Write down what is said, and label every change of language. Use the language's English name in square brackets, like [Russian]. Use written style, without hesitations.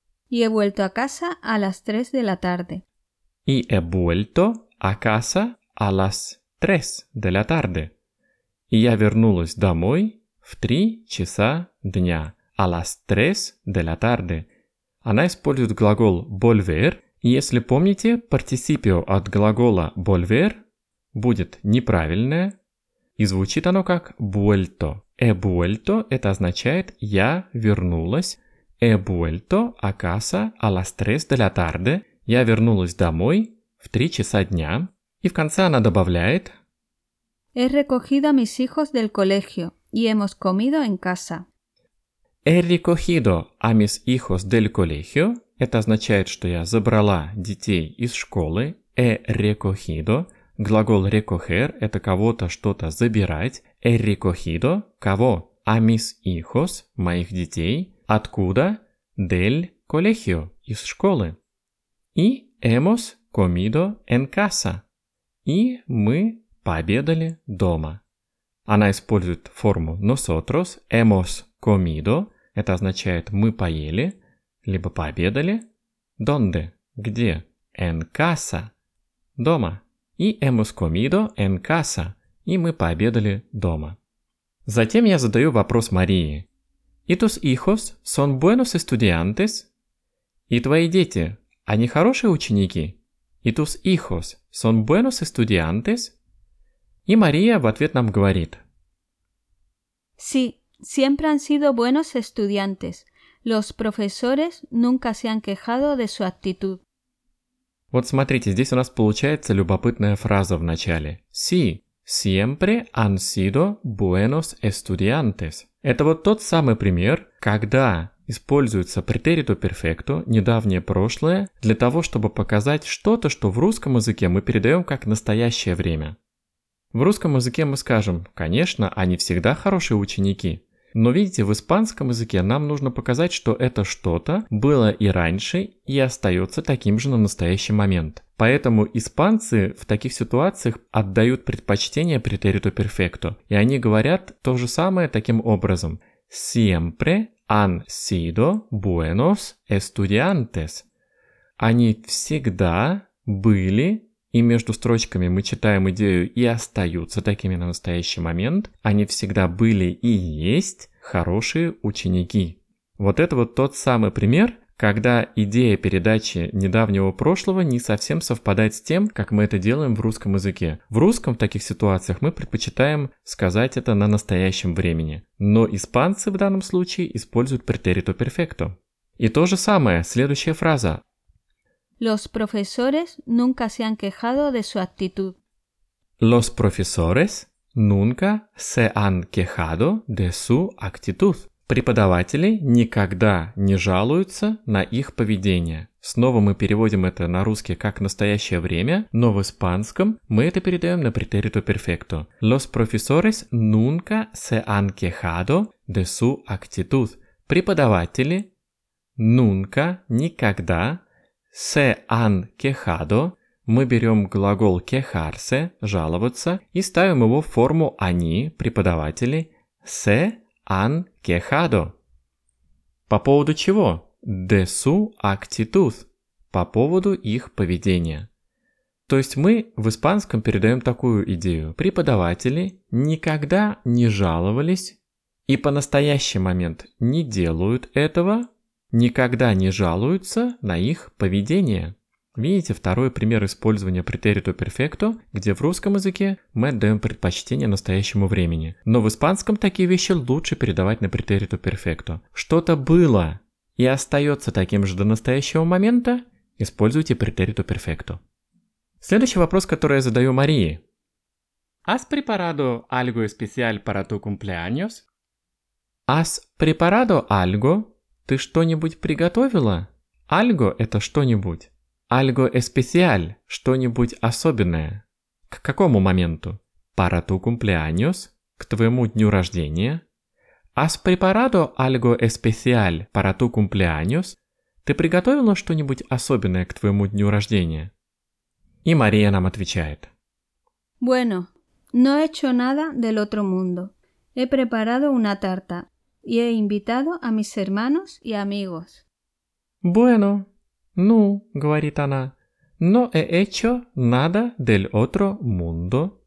[Spanish] «y he vuelto a casa a las 3 de la tarde». «Y he vuelto a casa a las 3 de la tarde». [Russian] «И я вернулась домой в 3 часа дня». [Spanish] «A las 3 de la tarde». [Russian] Она использует глагол «volver». И если помните, participio от глагола «volver» будет неправильное. И звучит оно как «vuelto». [Spanish] «He vuelto» [Russian] – это означает «я вернулась». [Spanish] «He vuelto a casa a las 3 de la tarde». [Russian] «Я вернулась домой в 3 часа дня». И в конце она добавляет [Spanish] «He recogido a mis hijos del colegio y hemos comido en casa». «He recogido a mis hijos del colegio» [Russian] – это означает, что я забрала детей из школы. [Spanish] «He recogido» [Russian] – глагол «recoger» – это кого-то что-то забирать. [Spanish] «He recogido» – [Russian] «кого?» [Spanish] «A mis hijos» – [Russian] «моих детей». «Откуда?» [Spanish] «Del colegio» [Russian] – «из школы». «И [Spanish] hemos comido en casa» [Russian] – «и мы пообедали дома». Она использует форму «nosotros» – [Spanish] «hemos comido» [Russian] – это означает «мы поели» либо «пообедали». [Spanish] «Donde?» – [Russian] «где?» [Spanish] – «en casa» – [Russian] «дома». «И [Spanish] hemos comido en casa» [Russian] – и мы пообедали дома. Затем я задаю вопрос Марии. [Spanish] «И tus hijos son buenos estudiantes?» [Russian] «И твои дети, они хорошие ученики?» [Spanish] «И tus hijos son buenos estudiantes?» [Russian] И Мария в ответ нам говорит. [Spanish] «Sí, siempre han sido buenos estudiantes. Los profesores nunca se han quejado de su actitud». [Russian] Вот смотрите, здесь у нас получается любопытная фраза в начале. [Spanish] «Sí». Siempre han sido buenos estudiantes. [Russian] Это вот тот самый пример, когда используется претерито перфекто, недавнее прошлое, для того, чтобы показать что-то, что в русском языке мы передаем как настоящее время. В русском языке мы скажем, конечно, они всегда хорошие ученики. Но видите, в испанском языке нам нужно показать, что это что-то было и раньше, и остается таким же на настоящий момент. Поэтому испанцы в таких ситуациях отдают предпочтение претериту перфекту, и они говорят то же самое таким образом. [Spanish] Siempre han sido buenos estudiantes. [Russian] Они всегда были, и между строчками мы читаем идею «и остаются такими на настоящий момент», они всегда были и есть хорошие ученики. Вот это вот тот самый пример, когда идея передачи недавнего прошлого не совсем совпадает с тем, как мы это делаем в русском языке. В русском в таких ситуациях мы предпочитаем сказать это на настоящем времени. Но испанцы в данном случае используют претерито перфекто. И то же самое, следующая фраза. [Spanish] Los profesores nunca se han quejado de su actitud. Los profesores Nunca se han quejado de su actitud. [Russian] Преподаватели никогда не жалуются на их поведение. Снова мы переводим это на русский как «настоящее время», но в испанском мы это передаем на претерито перфекто. [Spanish] Los profesores nunca se han quejado de su actitud. [Russian] Преподаватели [Spanish] nunca, [Russian] никогда, [Spanish] se han quejado. [Russian] Мы берем глагол quejarse, жаловаться, и ставим его в форму они, преподаватели, [Spanish] se han quejado. [Russian] По поводу чего? [Spanish] De su actitud. [Russian] По поводу их поведения. То есть мы в испанском передаем такую идею. Преподаватели никогда не жаловались и по настоящий момент не делают этого, никогда не жалуются на их поведение. Видите, второй пример использования претерито перфекто, где в русском языке мы отдаем предпочтение настоящему времени. Но в испанском такие вещи лучше передавать на претерито перфекто. Что-то было и остается таким же до настоящего момента, используйте претерито перфекто. Следующий вопрос, который я задаю Марии. [Spanish] ¿Has preparado algo especial para tu cumpleaños? ¿Has preparado algo? [Russian] Ты что-нибудь приготовила? Algo – это что-нибудь. [Spanish] Algo especial [Russian] – что-нибудь особенное. К какому моменту? [Spanish] Para tu cumpleaños [Russian] – к твоему дню рождения. [Spanish] ¿Has preparado algo especial para tu cumpleaños? [Russian] Ты приготовила что-нибудь особенное к твоему дню рождения? И Мария нам отвечает. [Spanish] Bueno, no he hecho nada del otro mundo. He preparado una tarta y he invitado a mis hermanos y amigos. Bueno. [Russian] Ну, говорит она, [Spanish] no he hecho nada del otro mundo.